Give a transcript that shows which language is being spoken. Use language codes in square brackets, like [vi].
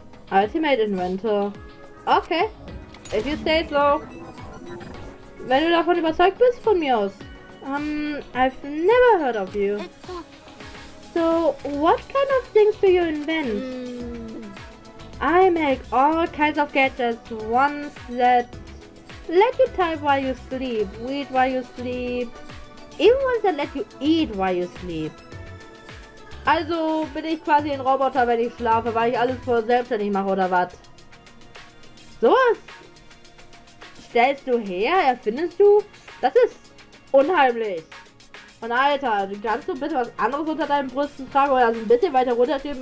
[en] Ultimate Inventor. Okay, if you say so. [de] Wenn du davon überzeugt bist, von mir aus. [en] I've never heard of you. So, what kind of things do you invent? I make all kinds of gadgets, ones that... Let you type while you sleep, read while you sleep, even ones that let you eat while you sleep. [de] Also bin ich quasi ein Roboter, wenn ich schlafe, weil ich alles für selbstständig mache oder was? Sowas stellst du her, erfindest du? Das ist unheimlich. Und Alter, kannst du bitte was anderes unter deinen Brüsten tragen oder so ein bisschen weiter runter schieben?